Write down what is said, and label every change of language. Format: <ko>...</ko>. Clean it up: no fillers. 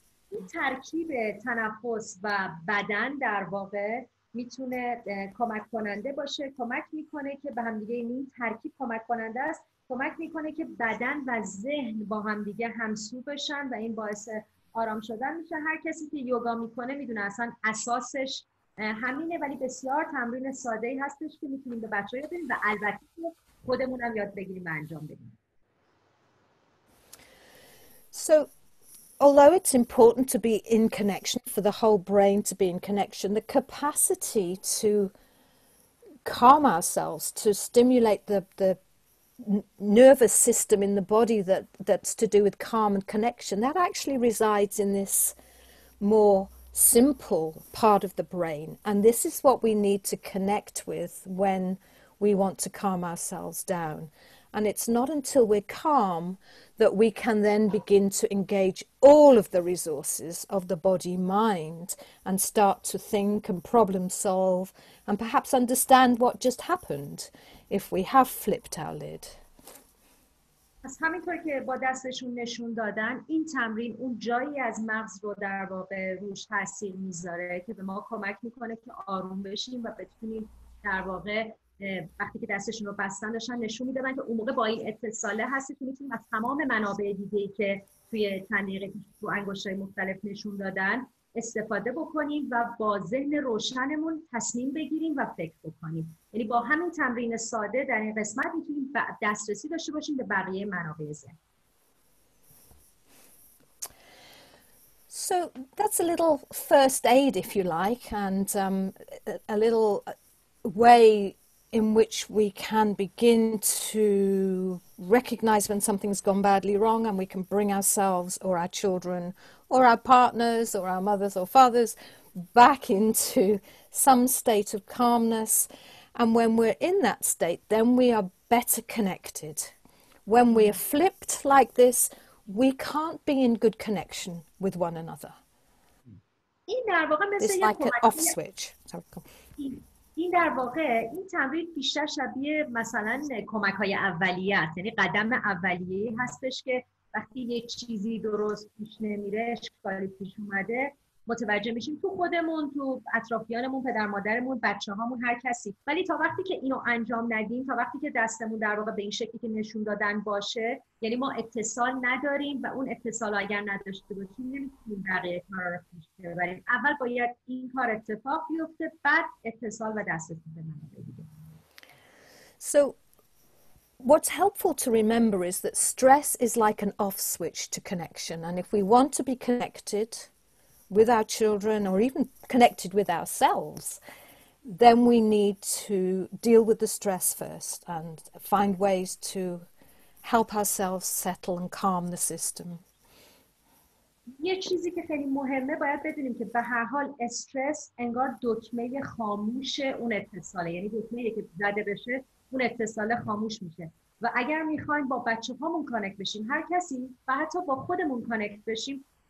<fa>این ترکیب تنفس و بدن در واقع میتونه کمک کننده باشه، کمک میکنه که به همدیگه، این ترکیب کمک کننده است، کمک میکنه که بدن و ذهن با همدیگه همسو بشن و این باعث آرام شدن میشه. هر کسی که یوگا میکنه میدونه اصلا اساسش همینه، ولی بسیار تمرین ساده‌ای هستش که میتونیم به بچه‌ها یاد بدیم و البته خودمون هم یاد بگیریم و انجام بدیم.</fa> <en>So, although it's important to be in connection, for the whole brain to be in connection, the capacity to calm ourselves, to stimulate the nervous system in the body that's to do with calm and connection, that actually resides in this more simple part of the brain. And this is what we need to connect with when we want to calm ourselves down. And it's not until we're calm that we can then begin to engage all of the resources of the body mind and start to think and problem solve and perhaps understand what just happened if we have flipped our lid.</en> <fa>از همینطور که با دستشون نشون دادن، این تمرین اون جایی از مغز رو در واقع روش تاثیر میذاره که به ما کمک میکنه که آروم بشیم و بتونیم در واقع وقتی که دستشون رو بستن داشتن نشون میدادن که اون موقع با این اتصاله هستی که میتونیم از تمام منابع دیگه که توی تنیقه تو انگشتای مختلف نشون دادن استفاده بکنیم و با ذهن روشنمون تصمیم بگیریم و فکر بکنیم. یعنی با همین تمرین ساده در این قسمت میتونیم دسترسی داشته باشیم به بقیه منابع ذهن.</fa> <en>So that's a little first aid, if you like, and a little way in which we can begin to recognize when something's gone badly wrong, and we can bring ourselves or our children or our partners or our mothers or fathers back into some state of calmness. And when we're in that state, then we are better connected. When we are flipped like this, we can't be in good connection with one another. It's like an off switch.</en> <fa>این در واقع این تمرین بیشتر شبیه مثلا کمک‌های اولیه است، یعنی قدم اولیه هستش که وقتی یه چیزی درست پیش نمیره، اشکالی پیش اومده، متوجه میشیم تو خودمون، تو اطرافیانمون، پدر مادرمون، بچه‌هامون، هر کسی. ولی تا وقتی که اینو انجام ندیم، تا وقتی که دستمون در واقع به این شکلی که نشون دادن باشه، یعنی ما اتصال نداریم و اون اتصال اگر نداشته باشیم نمیتونیم بقیه کارا رو پیش ببریم. اول باید این کار اتفاق بیفته، بعد اتصال و دستتون به من بگیره.</fa> <en>So what's helpful to remember is that stress is like an off switch to connection, and if we want to be connected with our children or even connected with ourselves, then we need to deal with the stress first and find ways to help ourselves settle and calm the system.</en> <fa>یه چیزی که خیلی مهمه باید بدونیم که به هر حال استرس انگار دکمه خاموش اون اتصاله، یعنی دکمه یکی که زده بشه اون اتصاله خاموش میشه. و اگر میخوایم با بچه هامون کانکت بشیم، هر کسی و حتی با خودمون کانکت بشیم،</fa>